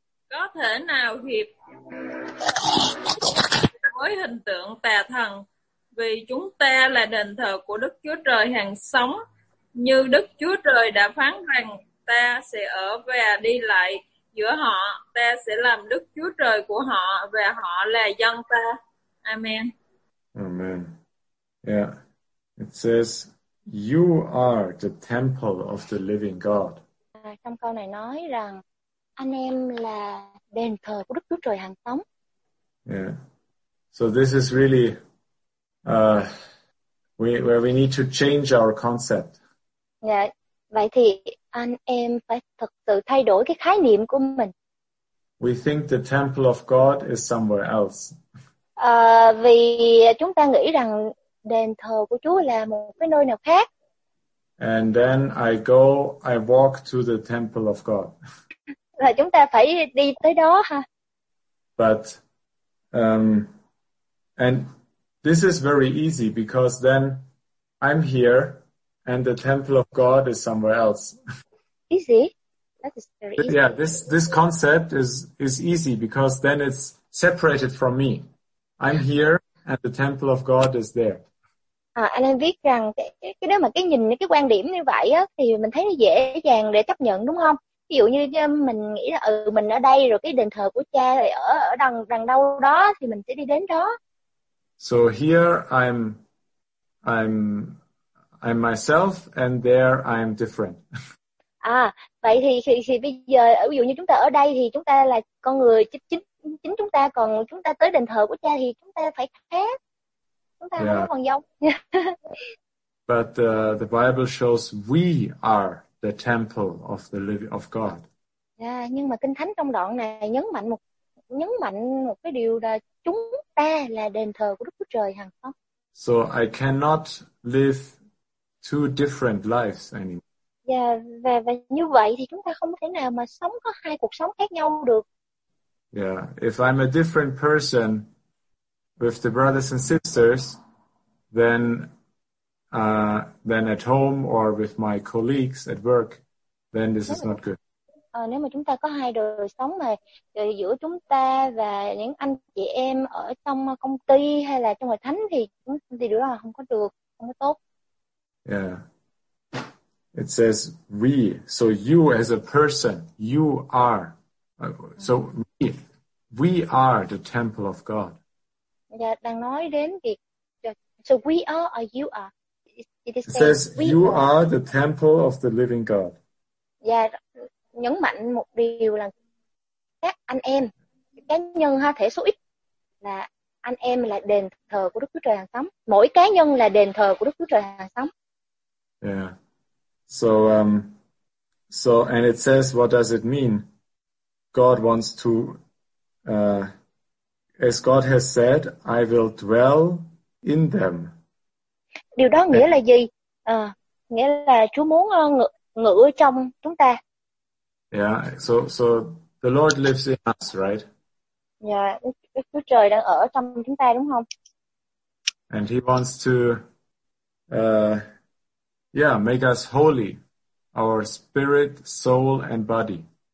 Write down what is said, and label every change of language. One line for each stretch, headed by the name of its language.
Vietnamese: Có thể nào hiệp với hình tượng tà thần? Vì chúng ta là đền thờ của Đức Chúa Trời hằng sống, như Đức Chúa Trời đã phán rằng ta sẽ ở và đi lại giữa họ, ta sẽ làm Đức Chúa Trời của họ và họ là dân ta. Amen. Amen. Yeah.
English: It says you are the temple of the living God.
Vietnamese: Trong câu này nói rằng anh em là đền thờ của Đức Chúa Trời hằng sống. Yeah.
English: So this is really where we need to change our concept.
Vietnamese: Yeah. Vậy thì anh em phải thực sự thay đổi cái khái niệm của mình.
English: We think the temple of God is somewhere else.
Vietnamese: Vì chúng ta nghĩ rằng đền thờ của Chúa là một cái nơi nào khác.
English: And then I walk to the temple of God.
Vietnamese: Là chúng ta phải đi tới đó ha.
English: But and this is very easy because then I'm here and the temple of God is somewhere else. Easy. That is very easy. Yeah, this concept is easy because then it's separated from me. I'm here and the temple of God is there.
Vietnamese: À, anh em biết rằng cái nếu mà cái nhìn cái quan điểm như vậy á thì mình thấy nó dễ dàng để chấp nhận đúng không? Ví dụ như mình nghĩ là mình ở đây rồi cái đền thờ của cha thì ở đằng đâu đó thì mình sẽ đi đến đó.
English: So here I'm myself and there I'm different.
Vietnamese: À vậy thì bây giờ ví dụ như chúng ta ở đây thì chúng ta là con người chính chúng ta, còn chúng ta tới đền thờ của cha thì chúng ta phải khác. Chúng ta yeah. Không còn giống.
English: But the Bible shows we are the temple of the living of God.
Vietnamese: Yeah, nhưng mà Kinh Thánh trong đoạn này nhấn mạnh một cái điều là chúng ta là đền thờ của Đức Chúa Trời hằng không.
English: So I cannot live two different lives anymore.
Vietnamese: Yeah, và như vậy thì chúng ta không thể nào mà sống có hai cuộc sống khác nhau được.
English: Yeah, if I'm a different person with the brothers and sisters, then at home or with my colleagues at work, then this is not good.
Vietnamese: Nếu mà chúng ta có hai đời sống mà giữa chúng ta và những anh chị em ở trong công ty hay là trong hội thánh thì điều đó là không có được, không có tốt. Yeah.
English: It says we, so you as a person, you are, so we are the temple of God.
Vietnamese: Yeah, đang nói đến việc,
English: so we are or you are? It says you are the temple of the living God.
Vietnamese: Yeah, nhấn mạnh một điều là các anh em, cá nhân ha, thể số ít là anh em là đền thờ của Đức Chúa Trời hàng sống. Mỗi cá nhân là đền thờ của Đức Chúa Trời hàng sống. Yeah.
English: So and it says, what does it mean? God wants to, as God has said, I will dwell in them.
Vietnamese: Điều đó nghĩa là gì? Nghĩa là Chúa muốn ngự trong chúng ta.
English: Yeah, so the Lord lives in us, right?
Vietnamese: Yeah, Chúa Trời đang ở trong chúng ta, đúng không?
English: And he wants to, yeah, make us holy, our spirit, soul, and body.